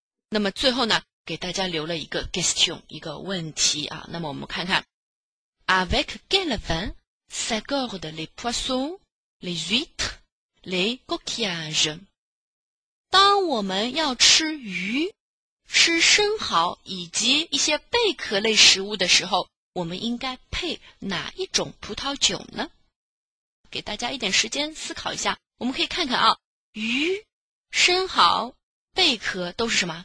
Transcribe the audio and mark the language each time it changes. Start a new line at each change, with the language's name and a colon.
Chinese: 那么最后呢，给大家留了一个 question， 一个问题啊。那么我们看看
French: ，avec quel vin s'accordent les poissons, les huîtres, les coquillages？
Chinese: 当我们要吃鱼、吃生蚝以及一些贝壳类食物的时候，我们应该配哪一种葡萄酒呢？给大家一点时间思考一下，我们可以看看啊，鱼、生蚝、贝壳都是什么？